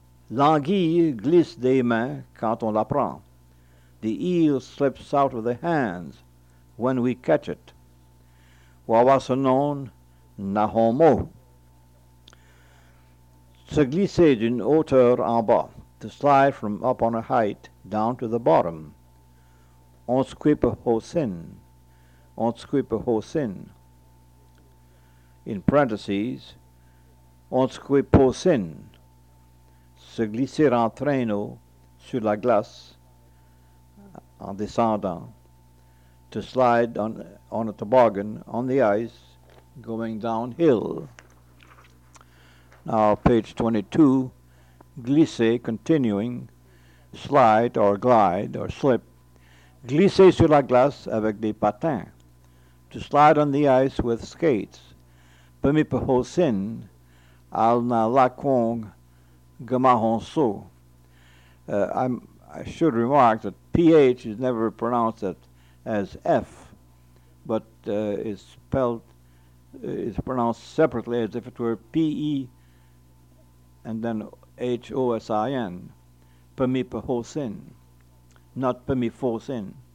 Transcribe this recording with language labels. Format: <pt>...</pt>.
<fr>L'anguille glisse des mains quand on la prend.</fr> <en>The eel slips out of the hands when we catch it.</en> <abe>Wawasanon nahomo.</abe> <fr>Se glisser d'une hauteur en bas.</fr> <en>To slide from up on a height down to the bottom.</en> <abe>On squipe hosin. On squipe hosin.</abe> <en>In parentheses,</en> <abe>on squipe hosin.</abe> <fr>Se glisser en traîneau sur la glace en descendant.</fr> <en>To slide on a toboggan on the ice going downhill. Now, page 22. Glisser, continuing, slide or glide or slip.</en> <fr>Glisser sur la glace avec des patins.</fr> <en>To slide on the ice with skates.</en> <abe>Pemipahosin al na lakong gamahonso.</abe> <en>I should remark that PH is never pronounced as F, but is pronounced separately as if it were PE and then HOSIN, Pemipahosin, not Pemifosin.</en>